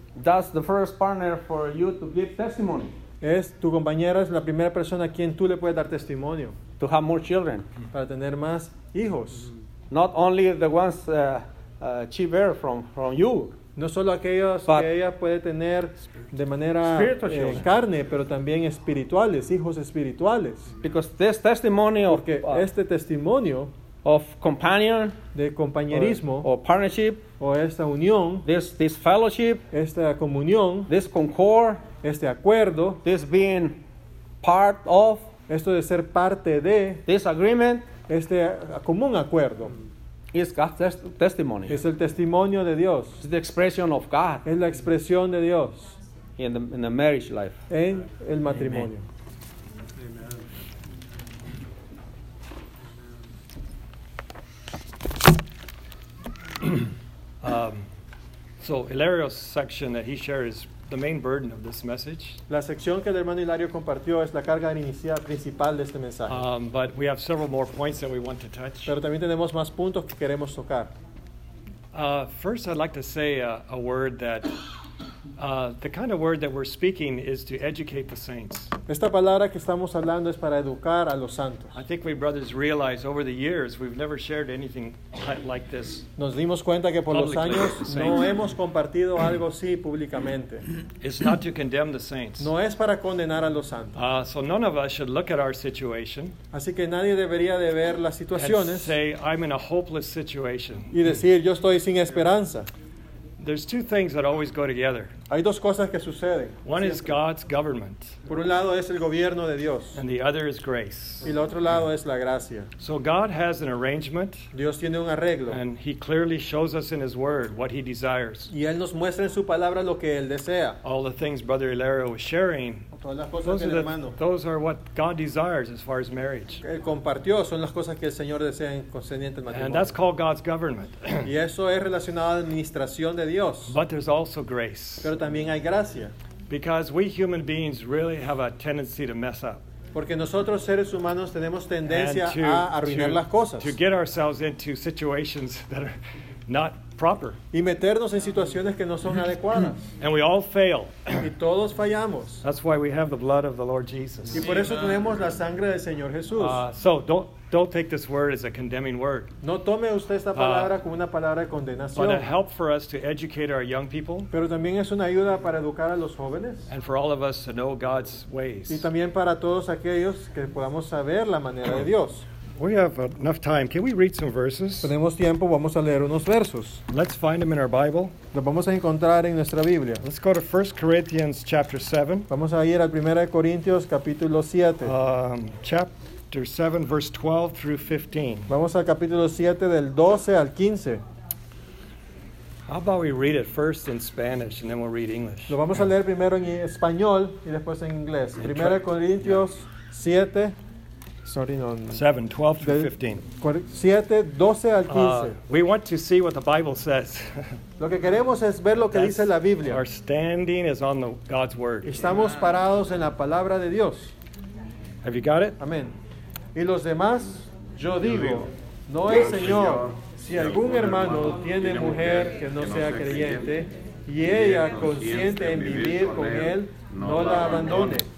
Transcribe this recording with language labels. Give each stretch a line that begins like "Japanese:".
English: That's the first partner for you to give testimony.
Spanish: Es tu compañera, es la primera persona a quien tú le puedes dar testimonio.
English: To have more children.
Spanish: Para tener más hijos. Mm-hmm.
English: Not only the ones she bear from you.
Spanish: No solo aquellos que ella puede tener de manera carne, pero también espirituales, hijos espirituales.
English: Because this testimony of,
Spanish: porque este testimonio
English: of companion,
Spanish: de compañerismo
English: or partnership,
Spanish: o esta unión,
English: this fellowship,
Spanish: esta comunión,
English: this concord,
Spanish: este acuerdo,
English: this being part of,
Spanish: esto de ser parte de,
English: this agreement,
Spanish: este común acuerdo.
English: It's God's testimony.
Spanish: Es el testimonio de Dios.
English: It's the expression of God.
Spanish: Es la expresión de Dios.
English: In the marriage life.
Spanish: En el matrimonio.
English: Amen.
Spanish: So Hilario's section that he shared is the main burden of this message.
English: La sección que el hermano Hilario compartió es la carga inicial principal de este mensaje.
Spanish: But we have several more points that we want to touch.
English: Pero también tenemos más puntos que queremos tocar.
Spanish: First, I'd like to say a word that the kind of word that we're speaking is to educate the saints.
English: Esta palabra que estamos hablando es para educar a los santos.
Spanish: I think we brothers realize over the years we've never shared anything like this.
English: Nos dimos cuenta que por los años no hemos compartido algo así públicamente.
Spanish: It's not to condemn the saints.
English: No es para condenar a los santos.
Spanish: So none of us should look at our situation.
English: Así que nadie debería de ver las situaciones.
Spanish: And say I'm in a hopeless situation.
English: Y decir yo estoy sin esperanza.
Spanish: There's two things that always go together.
English: Hay dos cosas que suceden.
Spanish: One is God's government.
English: Por un lado es el gobierno de Dios.
Spanish: And the other is grace.
English: Y el otro lado es la gracia.
Spanish: So God has an arrangement.
English: Dios tiene un arreglo.
Spanish: And he clearly shows us in his word what he desires.
English: Y él nos muestra en su palabra lo que él desea.
Spanish: All the things Brother Hilario was sharing.
English: Those are what God desires as far as marriage.
Spanish: Él compartió son las cosas que el Señor desea en concerniente al matrimonio.
English: And that's called God's government.
Spanish: Y eso es relacionado a la administración de Dios.
English: But there's also grace.
Spanish: Pero también hay gracia.
English: Because we human beings really have a tendency to mess up.
Spanish: Porque nosotros seres humanos tenemos tendencia a arruinar las cosas.
English: To get ourselves into situations that are not proper.
Spanish: Y meternos en situaciones que no son adecuadas.
English: And we all fail.
Spanish: Y todos fallamos.
English: That's why we have the blood of the Lord Jesus.
Spanish: Y por eso tenemos la sangre del Señor Jesús.
English: So don't take this word as a condemning word.
Spanish: No tome usted esta palabra como una palabra de condenación.
English: But a help for us to educate our young people.
Spanish: Pero también es una ayuda para educar a los jóvenes.
English: And for all of us to know God's ways.
Spanish: Y también para todos aquellos que podamos saber la manera de Dios.
English: We have enough time. Can we read some verses?
Spanish: Tenemos tiempo, vamos a leer unos versos.
English: Let's find them in our Bible.
Spanish: Los vamos a encontrar en nuestra Biblia.
English: Let's go to 1 Corinthians chapter 7.
Spanish: Vamos a ir al 1 Corintios capítulo 7.
English: Chapter 7 verse 12 through 15.
Spanish: Vamos al capítulo 7 del 12 al 15.
English: How about we read it first in Spanish and then we'll read English.
Spanish: Lo vamos a leer primero en español y después en inglés. 1 Corintios 7
English: 7, 12 through 15.
Spanish: 7, 12 al 15.
English: We want to see what the Bible says.
Spanish: Lo que queremos es ver lo que dice la Biblia.
English: Our standing is on God's word.
Spanish: Estamos parados en la palabra de Dios.
English: Have you got it?
Spanish: Amén. Y los demás, yo digo, no es Señor. Si algún hermano tiene mujer que no sea creyente, y ella consiente en vivir con él, no la abandone.